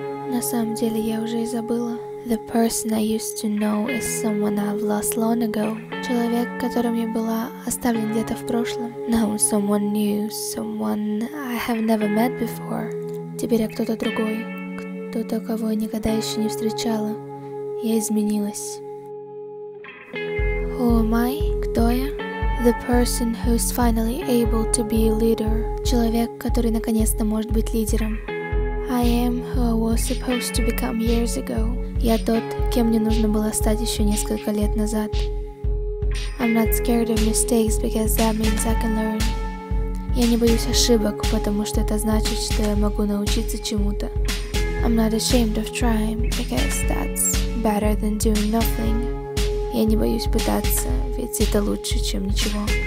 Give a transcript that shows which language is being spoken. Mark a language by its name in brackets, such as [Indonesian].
[Russian] На самом деле я уже и забыла. [English] The person I used to know is someone I've lost long ago. [Russian] Человек, которым я была, оставлен где-то в прошлом. [English] No, someone new, someone I have never met before. [Russian] Теперь я кто-то другой, кто-то, кого я никогда еще не встречала. Я изменилась. [English] Who am I? [Russian] Кто я? [English] The person who is finally able to be a leader. [Russian] Человек, который наконец-то может быть лидером. [English] I am who I was supposed to become years ago. [Russian] Я тот, кем мне нужно было стать еще несколько лет назад. [English] I'm not scared of mistakes because that means I can learn. [Russian] Я не боюсь ошибок, потому что это значит, что я могу научиться чему-то. [English] I'm not ashamed of trying because that's better than doing nothing. [Russian] Я не боюсь пытаться, ведь это лучше, чем ничего.